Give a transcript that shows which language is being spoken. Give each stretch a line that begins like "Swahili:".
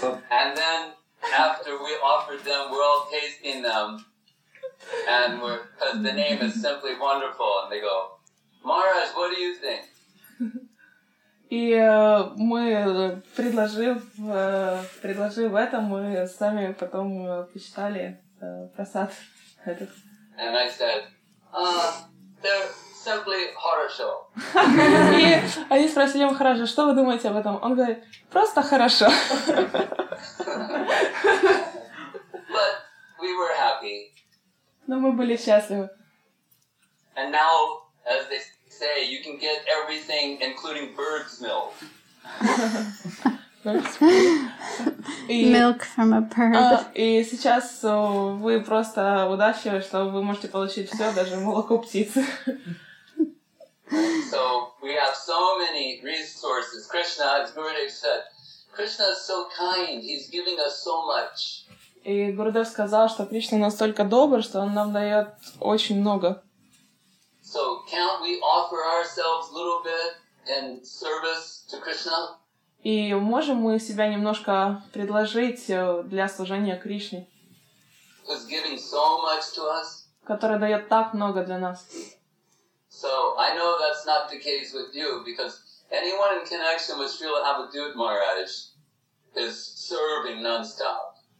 English: And then after we offered them, we're all tasting them, and because the name is simply wonderful, and they go, Maharaj, what do you think?
Russian: И мы, предложив это, мы сами потом посчитали просад этот.
English: And I said, they're simply
Russian: хорошо. И они спросили его, хорошо, что вы думаете об этом? Он говорит, просто хорошо.
English: But we were happy.
Russian: Но мы были счастливы.
English: And now, as they say, you can get everything, including bird's milk. Milk from a bird.
Russian: И сейчас вы просто удачливы, что вы можете получить все, даже молоко птицы.
English: So we have so many resources. Krishna, as Gurudev said, Krishna is so kind. He's giving us so much.
Russian: И Гурудев сказал, что Кришна настолько добр, что он нам дает очень много.
English: So can't we offer ourselves a little bit in service to Krishna?
Russian: И можем мы себя немножко предложить для служения Кришне,
English: who's giving so much to us?
Russian: Который дает так много для нас.
English: So I know that's not the case with you, because anyone in connection with Srila Abhidhut Maharaj is serving non-stop.